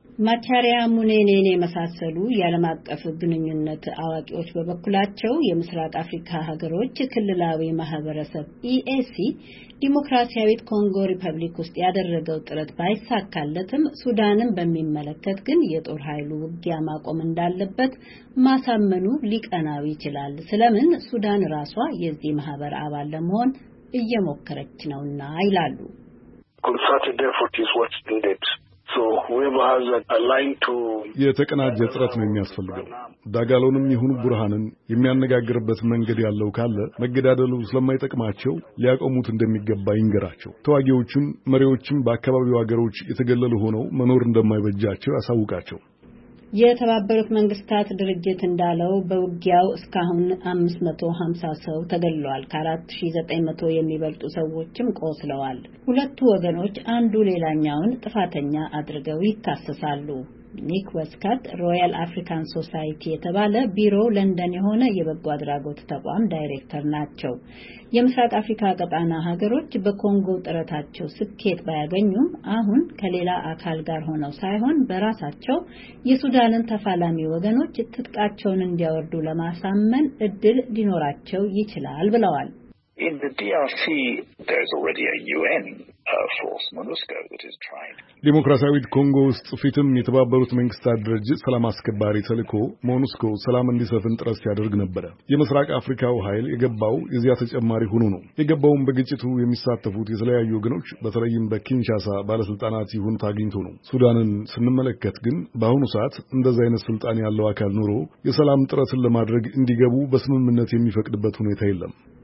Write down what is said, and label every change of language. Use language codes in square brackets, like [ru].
[am] ማቻሪያ ሙኔኔኔ መሳሰሉ የዓለም አቀፍ ግንኙነት አዋቂዎች በበኩላቸው የምስራቅ አፍሪካ ሀገሮች ክልላዊ ማህበረሰብ ኢኤሲ ዲሞክራሲያዊት ኮንጎ ሪፐብሊክ ውስጥ ያደረገው ጥረት ባይሳካለትም ሱዳንን በሚመለከት ግን የጦር ኃይሉ ውጊያ ማቆም እንዳለበት ማሳመኑ ሊቀናው ይችላል፣ ስለምን ሱዳን ራሷ የዚህ ማህበር አባል ለመሆን እየሞከረች ነውና ይላሉ። [en] Concerted effort is what's needed. So whoever has aligned to [am] የተቀናጀ ጥረት ነው የሚያስፈልገው። ዳጋሎንም ይሁን ቡርሃንን የሚያነጋግርበት መንገድ ያለው ካለ መገዳደሉ ስለማይጠቅማቸው ሊያቆሙት እንደሚገባ ይንገራቸው። ተዋጊዎቹም መሪዎቹም በአካባቢው ሀገሮች የተገለሉ ሆነው መኖር እንደማይበጃቸው ያሳውቃቸው። የተባበሩት መንግስታት ድርጅት እንዳለው በውጊያው እስካሁን 550 ሰው ተገድሏል፣ ከ4900 የሚበልጡ ሰዎችም ቆስለዋል። ሁለቱ ወገኖች አንዱ ሌላኛውን ጥፋተኛ አድርገው ይካሰሳሉ። ኒክ ወስካት ሮያል አፍሪካን ሶሳይቲ የተባለ ቢሮ ለንደን የሆነ የበጎ አድራጎት ተቋም ዳይሬክተር ናቸው። የምስራቅ አፍሪካ ቀጣና ሀገሮች በኮንጎ ጥረታቸው ስኬት ባያገኙም አሁን ከሌላ አካል ጋር ሆነው ሳይሆን በራሳቸው የሱዳንን ተፋላሚ ወገኖች ትጥቃቸውን እንዲያወርዱ ለማሳመን እድል ሊኖራቸው ይችላል ብለዋል። [en] In the DRC there's already a UN force MONUSCO that is trying [am] ዲሞክራሲያዊ ኮንጎ ውስጥ ፍትም የተባበሩት መንግስታት ድርጅት ሰላም አስከባሪ ተልእኮ MONUSCO ሰላም እንዲሰፍን ጥረት ያደርግ ነበር። የምስራቅ አፍሪካው ኃይል የገባው የዚያ ተጨማሪ ሆኖ ነው። የገባውን በግጭቱ የሚሳተፉት የተለያዩ ወገኖች በተለይም በኪንሻሳ ባለስልጣናት ይሁን ታግኝቶ ነው። ሱዳንን ስንመለከት ግን በአሁኑ ሰዓት እንደዛ አይነት ስልጣን ያለው አካል ኑሮ የሰላም ጥረትን ለማድረግ እንዲገቡ በስምምነት የሚፈቅድበት ሁኔታ የለም።